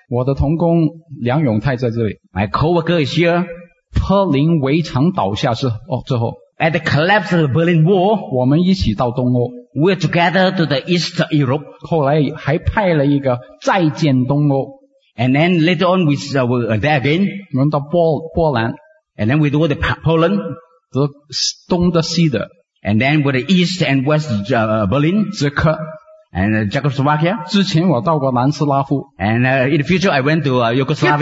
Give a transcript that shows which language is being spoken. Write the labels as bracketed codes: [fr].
[zh] 我的同工梁永泰在这里 [en] my co-worker is here, [zh] 柏林围墙倒下是、oh, 最后 [en] at the collapse of the Berlin Wall, [zh] 我们一起到东欧 [en] we're together to the East Europe, [zh] 后来还派了一个再见东欧 [en] and then later on we're there again, [zh] 我们到波兰 [en] And then we do the Poland, [zh] the 东的西的 [en] and then with the East and West Berlin, [zh] 捷克 [en] And Czechoslovakia. [zh] 之前我到过南斯拉夫。 [en] And in the future I went to Yugoslavia.